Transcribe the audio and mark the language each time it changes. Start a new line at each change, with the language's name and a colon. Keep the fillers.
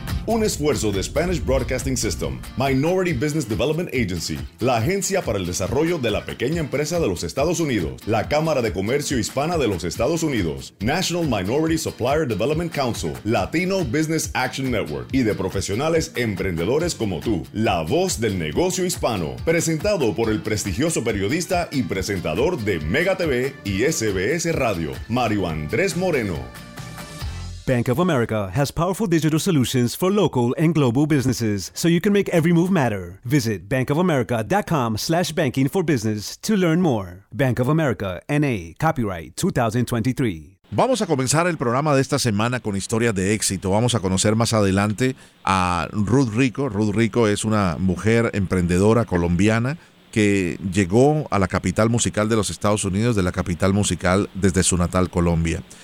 Spanish: Un esfuerzo de Spanish Broadcasting System, Minority Business Development Agency, la Agencia para el Desarrollo de la Pequeña Empresa de los Estados Unidos, la Cámara de Comercio Hispana de los Estados Unidos, National Minority Supplier Development Council, Latino Business Action Network y de profesionales emprendedores como tú. La voz del negocio hispano, presentado por el prestigioso periodista y presentador de Mega TV y SBS Radio, Mario Andrés Moreno.
English: Bank of America has powerful digital solutions for local and global businesses, so you can make every move matter. Visit bankofamerica.com/banking for business to learn more. Bank of America N.A. Copyright 2023.
Spanish: Vamos a comenzar el programa de esta semana con historias de éxito. Vamos a conocer más adelante a Ruth Rico. Ruth Rico es una mujer emprendedora colombiana que llegó a la capital musical de los Estados Unidos, de la capital musical desde su natal Colombia.